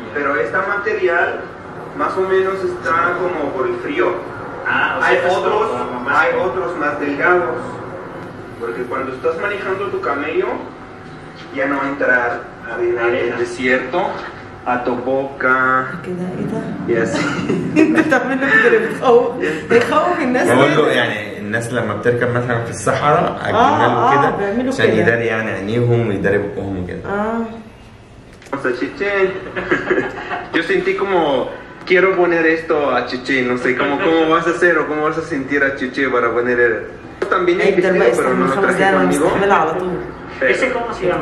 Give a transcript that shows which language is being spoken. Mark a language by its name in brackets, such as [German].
[Spanish] pero esta material más o menos está como por el frío. Hay otros más delgados. Porque cuando estás manejando tu camello, ya no va a entrar en el desierto, a tu boca. Y así. También lo que dejamos en ese [Arabic] الناس لما بتركب مثلا في الصحراء عجلان كده عشان يدار يعني عينيهم ويداري بقهم كده اه [Spanish] بس تشيتشين yo sentí como quiero poner esto a Chiche no sé cómo vas a hacer o cómo vas a sentir a Chiche para poner también el vestido pero no lo traje conmigo ¿Ese cómo se llama?